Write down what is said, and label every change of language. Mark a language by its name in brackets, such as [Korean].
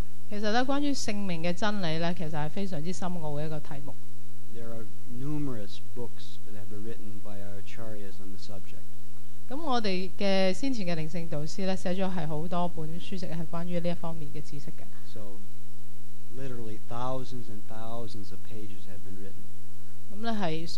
[English] There are numerous books that have been written by our acharyas on the subject. [Chinese] 我們的先前的靈性導師寫了很多本書籍是關於這方面的知識的 [English] So literally thousands and thousands of pages have been written